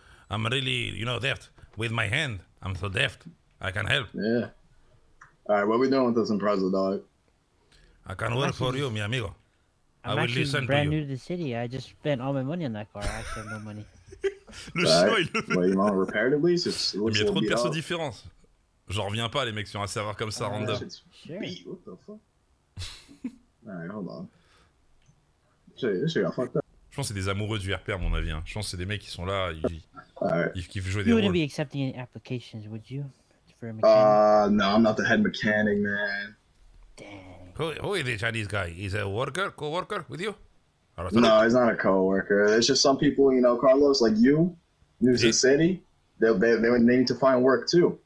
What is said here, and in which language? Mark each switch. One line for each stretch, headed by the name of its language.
English: I'm really, deft with my hand. I'm so deft. I can help. Yeah. All right, what are we doing with this Impreza, dog? I can work for you,
Spanish: mi amigo.
English: I'm actually brand new to the city. I just spent all my money on that car. I actually have no money.
French: Le chinois, il le fait.
English: Well, you want to repair it at least? It looks a little bit off. Différence.
French: J'en reviens pas, les mecs, sur un serveur comme ça, random.
English: Sure. What the fuck? All right, hold on. This shit got fucked up.
French: Je pense que c'est des amoureux du RP à mon avis. Hein. Je pense que c'est des mecs qui sont là, ils kiffent jouer des rôles.
English: You wouldn't be accepting any applications, would you? For a mechanic? No, I'm not the head mechanic, man. Dang. Who is the Chinese guy? He's a worker, co-worker with you? No, he's not a co-worker. It's just some people, Carlos, like you, New York City, they need to find work too.